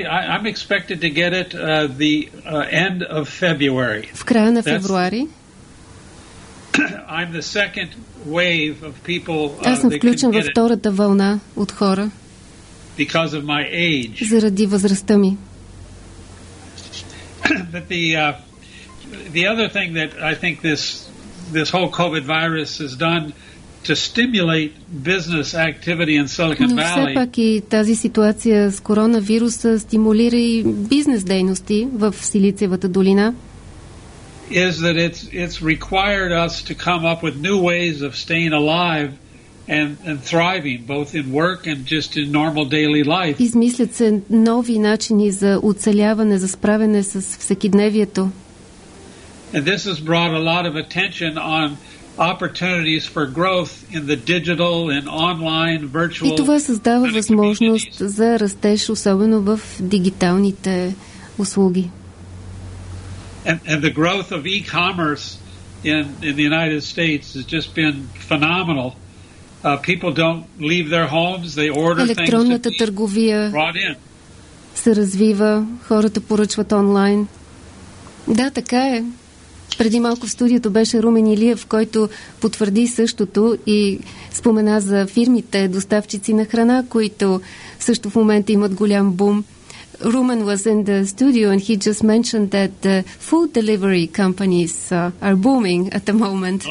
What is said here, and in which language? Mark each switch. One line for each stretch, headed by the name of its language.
English: I'm expected to get it end of February.
Bulgarian: В края на февруари.
English: I'm the second wave of people.
Bulgarian: Аз съм включен във втората вълна от хора.
English: Because of my age.
Bulgarian: Заради възрастта ми.
English: But the other thing that I think this whole COVID virus has done to stimulate business activity in Silicon Valley.
Bulgarian: Но все пак и тази ситуация с коронавируса стимулира и бизнес дейности в Силициевата долина.
English: Is that it's required us to come up with new ways of staying alive and thriving both in work and just in normal daily life.
Bulgarian: Измислят се нови начини за оцеляване, за справяне с всекидневието.
English: And this has brought a lot of attention on opportunities for growth in the digital and online virtual.
Bulgarian: И това създава възможност за растеж, особено в дигиталните услуги.
English: And the growth of e-commerce in the United States has just been phenomenal. People don't leave their homes, they order things.
Bulgarian: Електронната търговия се развива, хората поръчват онлайн. Да, така е. Преди малко в студиото беше Румен Илиев, който потвърди същото и спомена за фирмите, доставчици на храна, които също в момента имат голям бум.
English: Румен was in the studio and he just mentioned that the food delivery companies are booming at the moment.